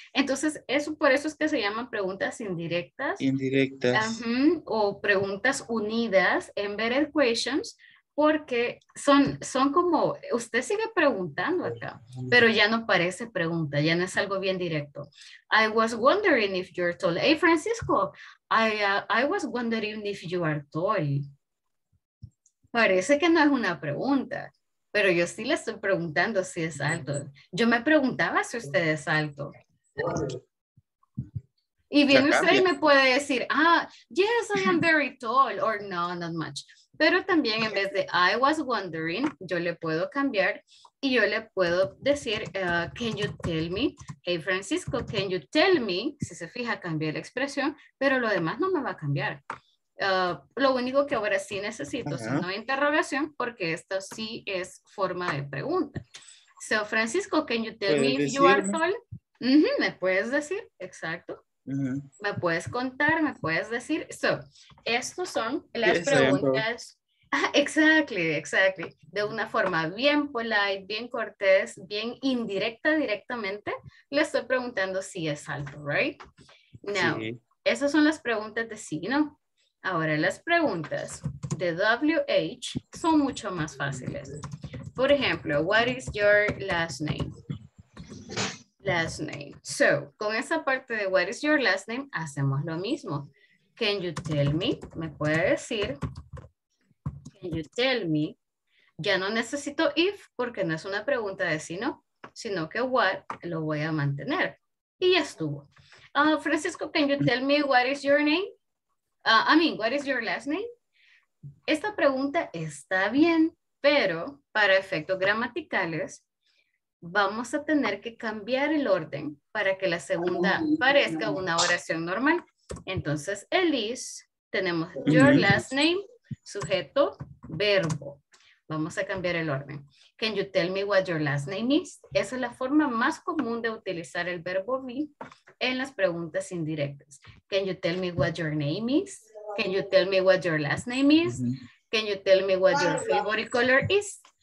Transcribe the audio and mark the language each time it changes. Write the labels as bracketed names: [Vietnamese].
[Spanish] Entonces, eso, por eso es que se llaman preguntas indirectas. Indirectas. O preguntas unidas, embedded questions, porque son como, usted sigue preguntando acá, pero ya no parece pregunta, ya no es algo bien directo. [English] I was wondering if you're tall. Hey, Francisco, I was wondering if you are tall. [Spanish] Parece que no es una pregunta, pero yo sí le estoy preguntando si es alto. Yo me preguntaba si usted es alto. Y viene usted y me puede decir, [English] ah, yes, I am very tall, or no, not much. [Spanish] Pero también en vez de [English] I was wondering, [Spanish] yo le puedo cambiar y yo le puedo decir, [English] can you tell me, [Spanish] hey Francisco, can you tell me, si se fija, cambié la expresión, pero lo demás no me va a cambiar. Lo único que ahora sí necesito es una interrogación porque esto sí es forma de pregunta. [English] So, Francisco, can you tell me if you are tall? [Spanish] ¿Me puedes decir? Exacto. ¿Me puedes contar? ¿Me puedes decir? So, estos son las preguntas. Exactly. De una forma bien polite, bien cortés, bien indirecta directamente, le estoy preguntando si es alto, right? Now, esas son las preguntas de sí, ¿no? Ahora, las preguntas de WH son mucho más fáciles. Por ejemplo, [English] what is your last name? Last name. [Spanish] So, con esa parte de [English] what is your last name, [Spanish] hacemos lo mismo. [English] Can you tell me? [Spanish] Me puede decir. [English] Can you tell me? [Spanish] Ya no necesito if porque no es una pregunta de sino, sino que what lo voy a mantener. Y ya estuvo. [English] Francisco, can you tell me what is your name? What is your last name? [Spanish] Esta pregunta está bien, pero para efectos gramaticales, vamos a tener que cambiar el orden para que la segunda parezca una oración normal. Entonces, Elise, tenemos your last name, sujeto, verbo. Vamos a cambiar el orden. [English] Can you tell me what your last name is? [Spanish] Esa es la forma más común de utilizar el verbo be en las preguntas indirectas. [English] Can you tell me what your name is? Can you tell me what your last name is? Can you tell me what your favorite color is?